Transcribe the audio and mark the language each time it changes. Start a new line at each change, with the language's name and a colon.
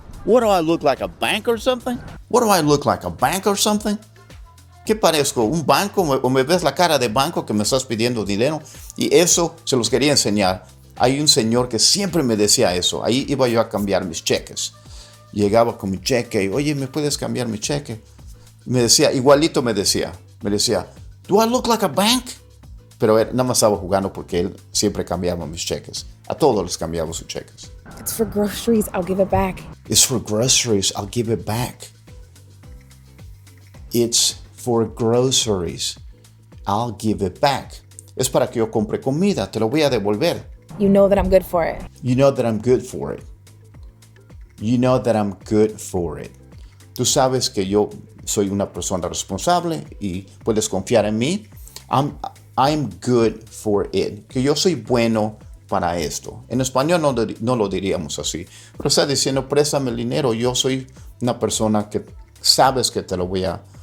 English: What do I look like, a bank or something? What do I look like, a bank or something?
Spanish: ¿Qué parezco? ¿Un banco? ¿O me ves la cara de banco que me estás pidiendo dinero? Y eso se los quería enseñar. Hay un señor que siempre me decía eso. Ahí iba yo a cambiar mis cheques. Llegaba con mi cheque y, oye, ¿me puedes cambiar mi cheque? Me decía, igualito me decía. Me decía,
English: ¿do I look like a bank?
Spanish: Pero él nada más estaba jugando porque él siempre cambiaba mis cheques. A todos les cambiaba sus cheques.
English: It's for groceries, I'll give it back. It's for groceries, I'll give it back. It's for groceries, I'll give it back.
Spanish: Es para que yo compre comida, te lo voy a devolver.
English: You know that I'm good for it. You know that I'm good for it. You know that I'm good for it.
Spanish: Tú sabes que yo soy una persona responsable y puedes confiar en mí.
English: I'm good for it.
Spanish: Que yo soy bueno para esto. En español no lo diríamos así. Pero está diciendo, préstame el dinero. Yo soy una persona que sabes que te lo voy a...